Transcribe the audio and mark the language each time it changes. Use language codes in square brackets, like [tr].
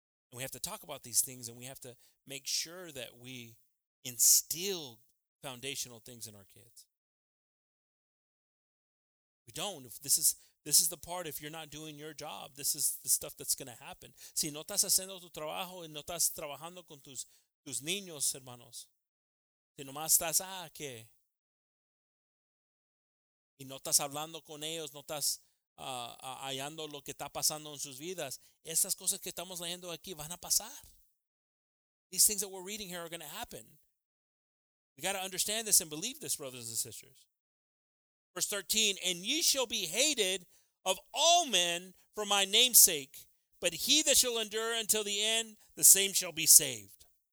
[en] And we have to talk about these things, and we have to make sure that we instill foundational things in our kids. We don't. This is the part, if you're not doing your job, this is the stuff that's going to happen. [es] Si no estás haciendo tu trabajo y no estás trabajando con tus niños, hermanos. Si nomás estás aquí y no estás hablando con ellos, no estás hallando lo que está pasando en sus vidas, esas cosas que estamos leyendo aquí van a pasar. [en] These things that we're reading here are going to happen. We got to understand this and believe this, brothers and sisters. Verse 13, and ye shall be hated of all men for my name's sake, but he that shall endure until the end, the same shall be saved.